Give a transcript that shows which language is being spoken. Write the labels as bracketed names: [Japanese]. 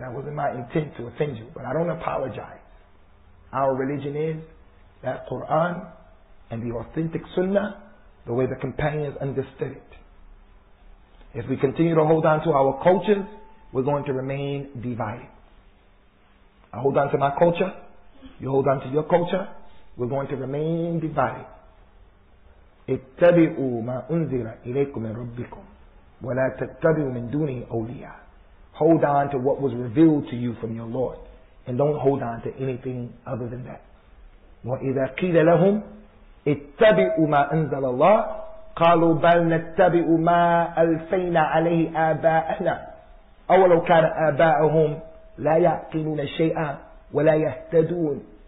[English] That wasn't my intent to offend you. But I don't apologize. Our religion is that Qur'an and the authentic sunnah, the way the companions understood it. If we continue to hold on to our cultures, we're going to remain divided. I hold on to my culture, you hold on to your culture, we're going to remain divided. [Arabic] اتبعوا ما أنزل إليكم من ربكم ولا تتبعوا من دونه أولياء. [English] Hold on to what was revealed to you from your Lord, and don't hold on to anything other than that. [Arabic] وَإِذَا قِيلَ لَهُمْ اتَّبِعُوا مَا أَنزَلَ اللَّهُ قَالُوا بَلْ نَتَّبِعُ مَا أَلْفَيْنَا عَلَيْهِ آبَاءَنَا أَوَلَوْ كَانَ آبَاءَهُمْ لَا يَعْقِلُونَ شَيْئًا وَلَا يَهْتَدُونَ.